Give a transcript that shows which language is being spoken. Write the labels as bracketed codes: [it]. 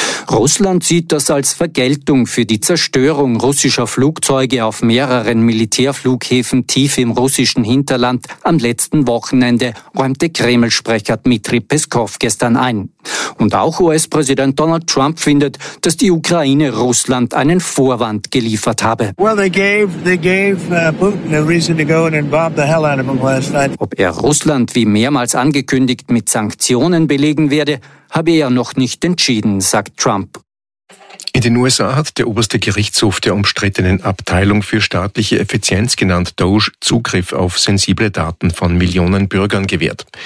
[de] Russland sieht das als Vergeltung für die Zerstörung russischer Flugzeuge auf mehreren Militärflughäfen tief im russischen Hinterland am letzten Wochenende, räumte Kreml-Sprecher Dmitri Peskow gestern ein. Und auch US-Präsident Donald Trump findet, dass die Ukraine Russland einen Vorwand geliefert habe. [en] Well, they gave Putin a reason to go in and bomb the hell out of him last night. [de] Ob er Russland, wie mehrmals angekündigt, mit Sanktionen belegen werde, habe er noch nicht entschieden, sagt Trump. In den USA hat der oberste Gerichtshof der umstrittenen Abteilung für staatliche Effizienz, genannt DOGE, Zugriff auf sensible Daten von Millionen Bürgern gewährt.